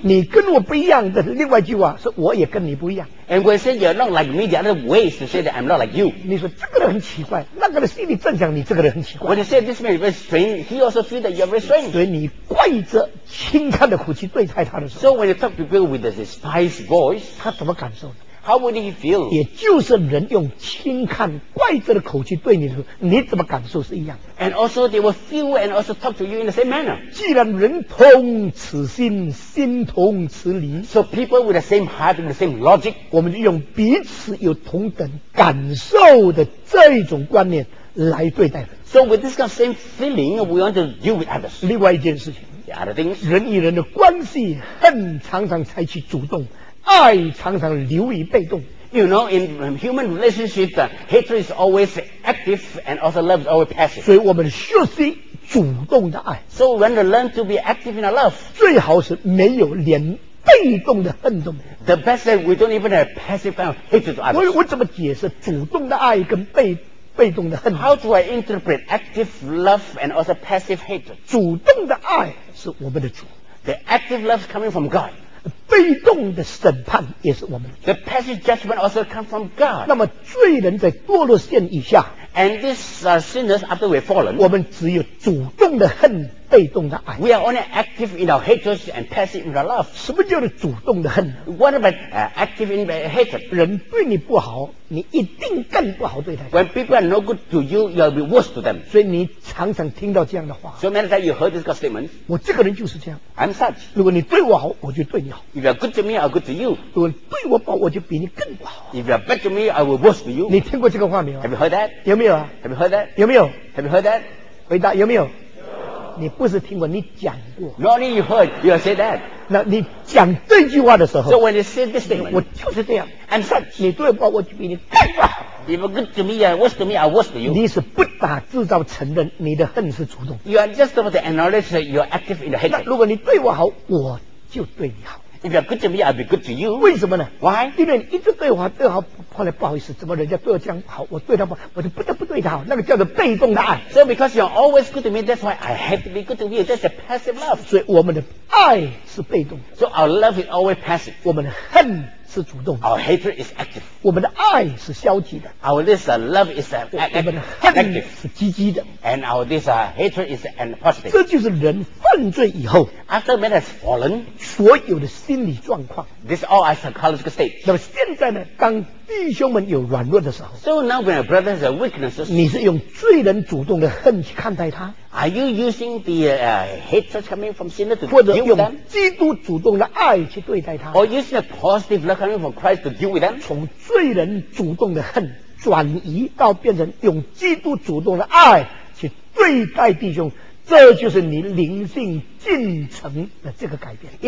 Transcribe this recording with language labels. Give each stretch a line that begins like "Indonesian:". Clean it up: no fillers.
Chinese: 你跟我不一样的另外一句话是我也跟你不一样。
English: And when you say you're not like me, the other way is to say that I'm not like you.
Chinese: 你说这个人很奇怪，那个人心里正想你这个人很奇怪。
English: When you say this man is very strange, he also feels that you're very strange.
Chinese: 所以你怪着轻看的口气对待他的时候，
English: So when you talk to people with a despised voice,
Chinese: 他怎么感受呢？
English: How would he feel?
Chinese: 也就是人用轻看怪责的口气对你的时候，你怎么感受是一样的。
English: And also they will feel and also talk to you in the same manner.
Chinese: 既然人同此心，心同此理。
English: So people with the same heart and the same logic.
Chinese: 我们就用彼此有同等感受的这一种观念来对待。
English: So with this kind of same feeling, we want to deal with others.
Chinese: 另外一件事情。
English: The other things.
Chinese: 人与人的关系，恨常常采取主动。爱常常流于被动。
English: You know, in human relationship, hatred is always active and also love is always passive.
Chinese: 所以我们学习主动的爱。
English: So when we learn to be active in our love,
Chinese: 最好是没有连被动的恨都没有。
English: The best that we don't even have passive kind of hatred to others.
Chinese: 我怎么解释主动的爱跟被动的恨？
English: How do I interpret active love and also passive hatred?
Chinese: 主动的爱是我们的主。
English: The active love is coming from God.
Chinese: 被动的审判也是我们的。
English: The passive judgment also comes from God.
Chinese: 那么罪人在堕落线以下。
English: And these sinners after we've fallen.
Chinese: 我们只有主动的恨，被动的爱。
English: We are only active in our hatred and passive in our love.
Chinese: 什么叫做主动的恨？
English: What about active in hatred?
Chinese: 人对你不好，你一定更不好对他。
English: When people are no good to you, you'll be worse to them.
Chinese: 所以你常常听到这样的话。
English: So many times you heard this statement.
Chinese: 我这个人就是这样。
English: I'm such.
Chinese: 如果你对我好，我就对你好。
English: If you are good to me, I'll good to you.
Chinese: 如果你对我不好，我就比你更不好。
English: If you are bad to me, I will worse to you.
Chinese: 你听过这个话没有？
English: Have you heard that?
Chinese: 有没有啊？
English: Have you heard that?
Chinese: 有没有？
English: Have you heard that?
Chinese: 回答有没有？你不是听过，你讲过。
English: Not only you heard, you have said that.
Chinese: 那你讲这句话的时候。
English: So when you say this statement,
Chinese: 我就是这样。
English: I'm such.
Chinese: 你对我，我就比你更不好。
English: If you're good to me, I'm worse to me, I'm worse to you.
Chinese: 你是不打自招承认你的恨是主动。
English: You are just about to acknowledge that you're active in the hatred.
Chinese: 那如果你对我好，我就对你好。
English: If you're good to me, I'll be good to you.
Chinese: 为什么呢？
English: Why?
Chinese: 因为你一直对我好，对我好，后来不好意思，怎么人家对我这样好，我对他不好，我就不得不对他好，那个叫做被动的爱。
English: So because you're always good to me, that's why I have to be good to you. That's a passive love.
Chinese: 所以我们的爱是被动的。
English: So our love is always passive.
Chinese: 我们的恨是主动的。
English: Our hatred is active.
Chinese: 我们的爱是消极的。
English: Our this love is active.
Chinese: 我们的恨是积极的。
English: And our this hatred is positive.
Chinese: 这就是人犯罪以后
English: ，After man has fallen，
Chinese: 所有的心理状况
English: ，This all our psychological state。
Chinese: 那么现在呢？当弟兄们有软弱的时候
English: ，So now when our brothers have weaknesses，
Chinese: 你是用罪人主动的恨去看待他
English: ？Are you using the hatred coming from sin to deal with them？
Chinese: 或者用基督主动的爱去对待他
English: ？Or using the positive love coming from Christ to deal with them？
Chinese: 从罪人主动的恨转移到变成用基督主动的爱去对待弟兄。这就是你灵性进程的这个改变。